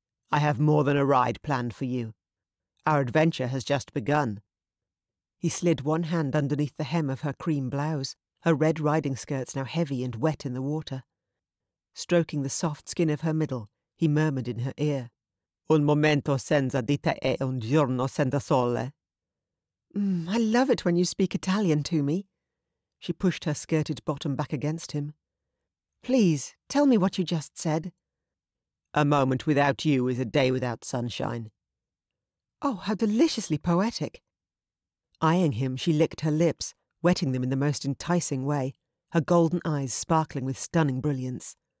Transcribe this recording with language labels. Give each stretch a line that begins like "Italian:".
English: I have more than a ride planned for you. Our adventure has just begun. He slid one hand underneath the hem of her cream blouse, her red riding skirts now heavy and wet in the water. Stroking the soft skin of her middle, he murmured in her ear.
Italian: Un momento senza di te e un giorno senza sole.
English: I love it when you speak Italian to me. She pushed her skirted bottom back against him. Please, tell me what you just said. A moment without you is a day without sunshine. Oh, how deliciously poetic. Eyeing him, she licked her lips, wetting them in the most enticing way, her golden eyes sparkling with stunning brilliance.